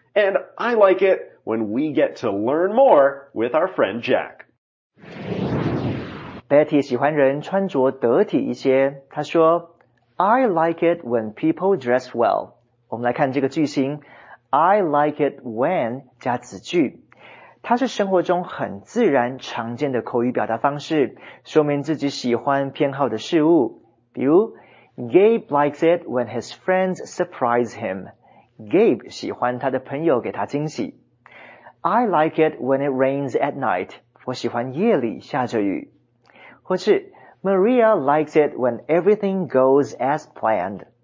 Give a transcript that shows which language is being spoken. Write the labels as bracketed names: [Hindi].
[English] And I like it when we get to learn more with our friend Jack. [Chinese] Betty 喜欢人穿着得体一些。她说 [English] I like it when people dress well. [Chinese] 我们来看这个句型 [English] I like it when [Chinese] 加子句。它是生活中很自然常见的口语表达方式，说明自己喜欢偏好的事物。比如 [English] Gabe likes it when his friends surprise him. [Chinese] Gabe 喜欢他的朋友给他惊喜。 [English] I like it when it rains at night. [Chinese] 我喜欢夜里下着雨。或是 [English] Maria likes it when everything goes as planned.